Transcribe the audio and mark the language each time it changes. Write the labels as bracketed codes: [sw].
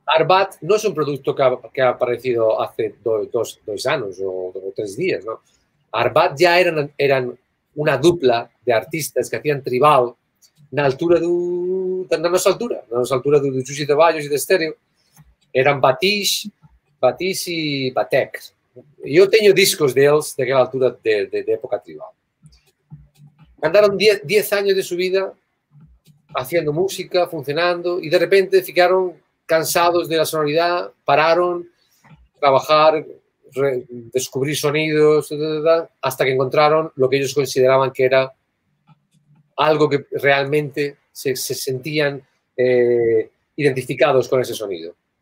[es] Arbat no es un producto que ha aparecido hace dos años o tres días, ¿no? Arbat ya eran una dupla de artistas que hacían tribal [pt] na nosa altura do [es] Xuxi de Baios e de Estéreo. Eran Batish e Batek. [pt] Eu tenho discos deles daquela altura de época tribal. [es] Andaron 10 años de su vida haciendo música, funcionando, y de repente ficaron cansados de la sonoridad, pararon trabajar, descubrir sonidos, hasta que encontraron lo que ellos consideraban que era algo que realmente se sentían identificados con ese sonido.